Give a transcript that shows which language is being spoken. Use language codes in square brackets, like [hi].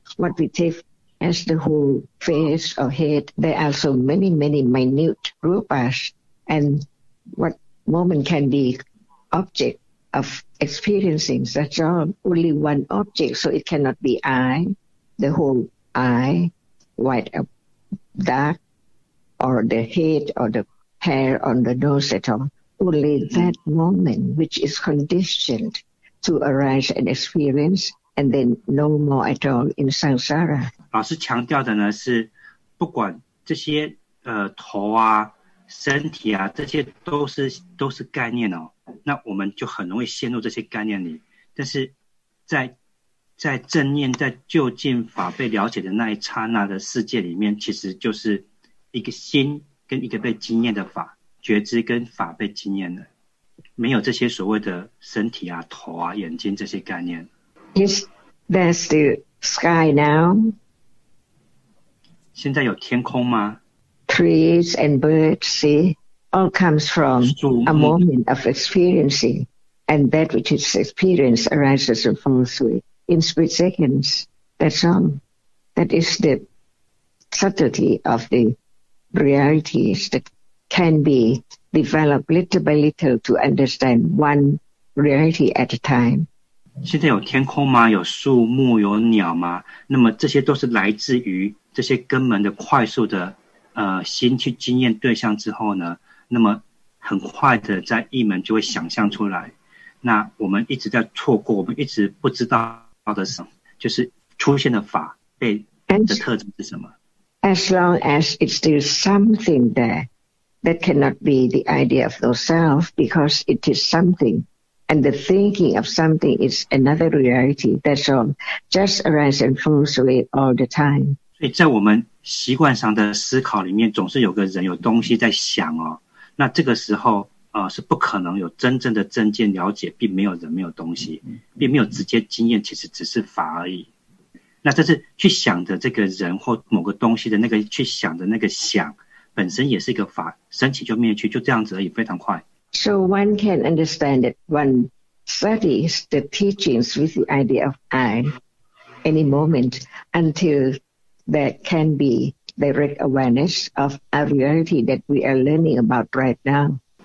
[en] What we take as the whole face or head, there are so many, many minute rupas, and what moment can be object of experiencing, that's all, only one object, so it cannot be I, the whole I, white or dark, or the head or the hair on the nose at all, only that moment which is conditioned to arise and experience, and then no more at all in samsara. [zh] 老师强调的呢是，不管这些头啊、身体啊，这些都是概念哦。那我们就很容易陷入这些概念里。但是在正念、在究竟法被了解的那一刹那的世界里面，其实就是一个心跟一个被经验的法觉知跟法被经验的，没有这些所谓的身体啊、头啊、眼睛这些概念。 [en] Yes, there's the sky now. [zh] 现在有天空吗？ [en] Trees and birds, see, all comes from a moment of experiencing, and that which is experienced arises and falls away in split seconds. That's all. That is the subtlety of the realities that can be developed little by little to understand one reality at a time. [zh] 现在有天空吗？有树木，有鸟吗？那么这些都是来自于这些根本的快速的心去经验对象之后呢，那么很快的在一门就会想象出来。那我们一直在错过，我们一直不知道的是，就是出现的法 [en] As long as it's still something there, that cannot be the idea of no self, because it is something. And the thinking of something is another reality. That's all. Just arise and falls away all the time. [zh] 所以在我们习惯上的思考里面，总是有个人、有东西在想哦。那这个时候，是不可能有真正的真见了解，并没有人，没有东西，并没有直接经验，其实只是法而已。那这是去想的这个人或某个东西的那个去想的那个想，本身也是一个法，升起就灭去，就这样子而已，非常快。 [en] So one can understand that one studies the teachings with the idea of I any moment until there can be direct awareness of a reality that we are learning about right now.